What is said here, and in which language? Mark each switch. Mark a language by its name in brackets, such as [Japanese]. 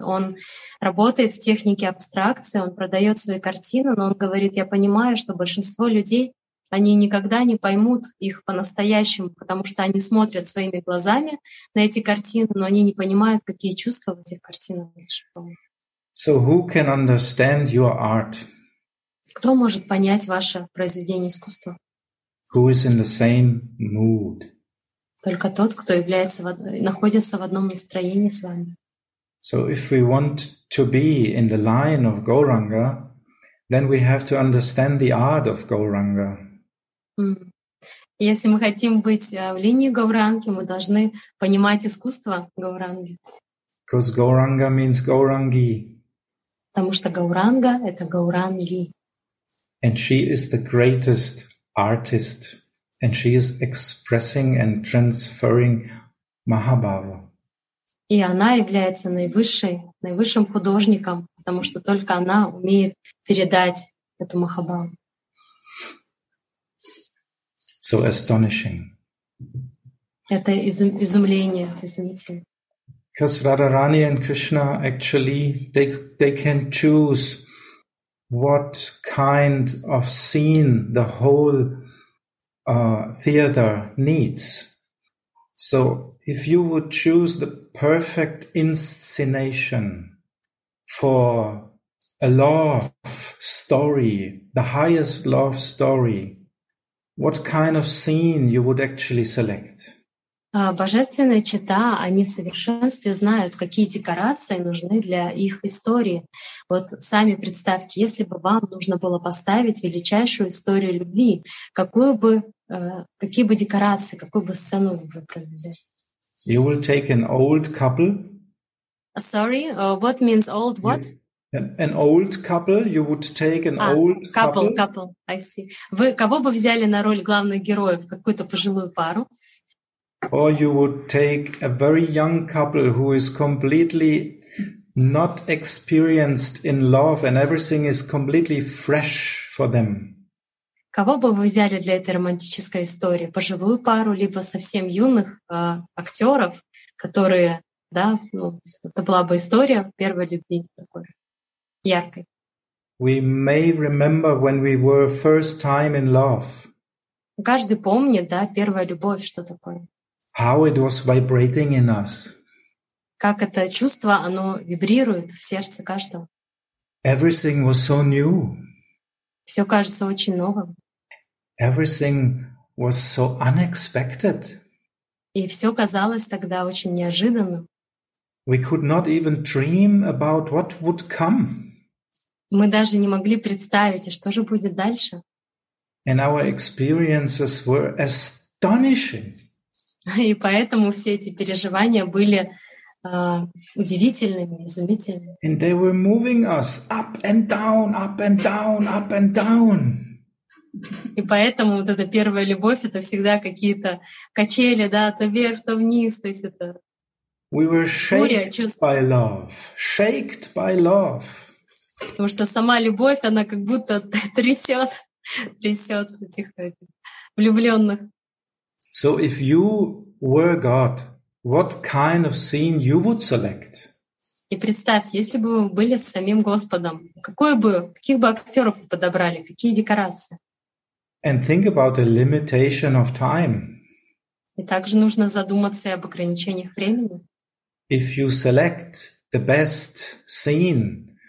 [Russian] Он работает в технике абстракции, он продает свои картины, но он говорит, я понимаю, что большинство людей они никогда не поймут их по-настоящему, потому что они смотрят своими глазами на эти картины, но они не понимают, какие чувства в этих картинах. [English] So who can understand your art? [Russian] Кто может понять ваше произведение искусства? [English] Who is in the same mood? [Russian] Только тот, кто является, находится в одном настроении с вами. [English] So if we want to be in the line of Gauranga, then we have to understand the art of Gauranga. [Russian] Если мы хотим быть в линии Гауранги, мы должны понимать искусство Гауранги. [English] Because Gauranga means Gaurangi. [Russian] Потому что Гауранга — это Гауранги. [English] And she is the greatest artist. And she is expressing and transferring Mahabhava. [Russian] И она является наивысшим художником, потому что только она умеет передать эту Махабаву. [English] So astonishing. [Russian] Это изумление, это изумительно. [English] Because Radharani and Krishna actually they can choose what kind of scene the whole theater needs. So if you would choose the perfect inscenation for a love story, the highest love story, what kind of scene you would actually select? [Russian] Божественные чита, они в совершенстве знают, какие декорации нужны для их истории. Вот сами представьте, если бы вам нужно было поставить величайшую историю любви, какие бы декорации, какую бы сцену вы бы провели? [English] You will take an old couple. Sorry, what means old what? An old couple, you would take an old couple. Couple, I see. [Russian] Вы кого бы взяли на роль главных героев, какую-то пожилую пару? [English] Or you would take a very young couple who is completely not experienced in love and everything is completely fresh for them. [Russian] Кого бы вы взяли для этой романтической истории? Пожилую пару, либо совсем юных актеров, которые, да, ну, это была бы история первой любви такой яркой. [English] We may remember when we were first time in love. [Russian] Каждый помнит, да, первая любовь, что такое. [English] How it was vibrating in us. [Russian] Как это чувство, оно вибрирует в сердце каждого. [English] Everything was so new. [Russian] Все кажется очень новым. [English] Everything was so unexpected. [Russian] И все казалось тогда очень неожиданным. [English] We could not even dream about what would come. [Russian] Мы даже не могли представить, что же будет дальше. [English] And our experiences were astonishing. [Russian] И поэтому все эти переживания были удивительными, изумительными. [English] And they were moving us up and down, up and down, up and down. [Russian] И поэтому вот эта первая любовь — это всегда какие-то качели, да, то вверх, то вниз, то есть это [English] we were shaked [Russian] чувств. [English] By love. Shaked by love. [Russian] Потому что сама любовь, она как будто трясёт этих влюблённых. [English] So if you were God, what kind of scene you would select? [Russian] И представьте, если бы вы были с самим Господом, каких бы актёров вы подобрали, какие декорации? [English] And think about the limitation of time. [Russian] И также нужно задуматься об ограничениях времени. [English] If you select the best scene,